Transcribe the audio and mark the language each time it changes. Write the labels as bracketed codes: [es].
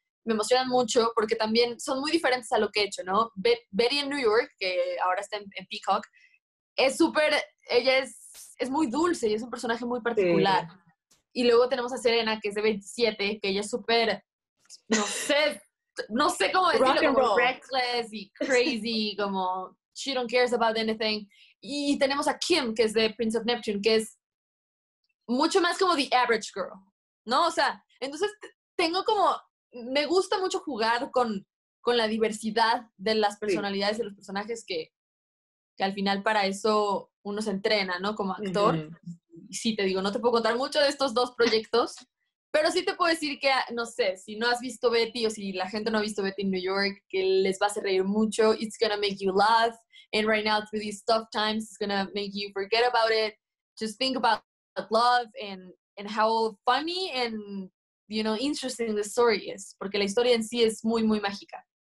[es] Me emocionan mucho porque también son muy diferentes a lo que he hecho, ¿no? Betty in New York, que ahora está en Peacock, es súper, ella es muy dulce y es un personaje muy particular. Sí. Y luego tenemos a Serena, que es de 27, que ella es súper, no sé cómo decirlo, [en] rock [es] como [en] roll. Reckless y crazy, como she don't cares about anything. [es] Y tenemos a Kim, que es de Prince of Neptune, que es mucho más como [en] the average girl, [es] ¿no? O sea, entonces tengo como, me gusta mucho jugar con la diversidad de las personalidades sí. y los personajes que al final para eso uno se entrena, ¿no? Como actor. Mm-hmm. Sí, te digo, no te puedo contar mucho de estos dos proyectos, pero sí te puedo decir que, no sé, si no has visto Betty o si la gente no ha visto Betty in New York, que les va a hacer reír mucho. [en] It's gonna make you laugh. And right now, through these tough times, it's gonna make you forget about it. Just think about love and how funny and, you know, interesting the story is. [es] Porque la historia en sí es muy, muy mágica.